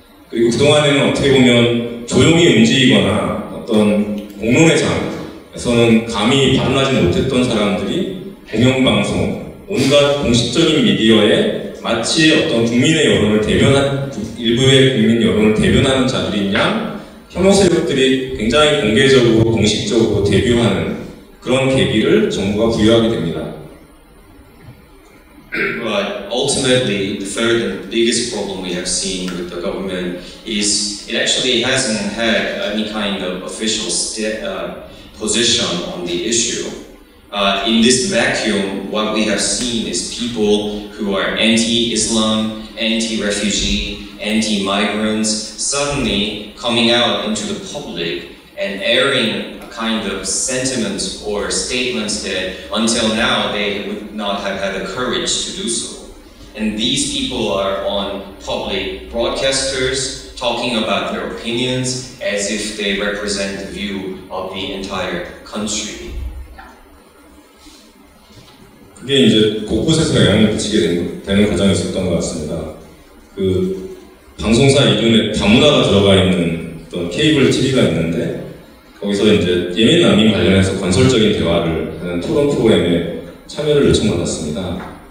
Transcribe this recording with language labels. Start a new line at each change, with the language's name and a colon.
Korean: 그리고 그동안에는 어떻게 보면 조용히 움직이거나 어떤 공론회장에서는 감히 발언하지 못했던 사람들이 공영방송, 온갖 공식적인 미디어에 마치 어떤 국민의 여론을 대변하는, 일부의 국민 여론을 대변하는 자들이냐, 혐오 세력들이 굉장히 공개적으로, 공식적으로 대변하는 그런 계기를 정부가 부여하게 됩니다.
English: But ultimately, the third and biggest problem we have seen with the government is it actually hasn't had any kind of official position on the issue. In this vacuum, what we have seen is people who are anti-Islam, anti-refugee, anti-migrants suddenly coming out into the public and airing a kind of sentiments or statements that until now they would not have had the courage to do so. And these people are on public broadcasters talking about their opinions as if they represent the view of the entire country.
Korean: 그게 이제 곳곳에서 영향을 미치게 되는 과정이 있었던 것 같습니다. 그 방송사 이름에 다문화가 들어가 있는 어떤 케이블 TV가 있는데 거기서 이제 예멘 난민 관련해서 건설적인 대화를 하는 토론 프로그램에 참여를 요청받았습니다.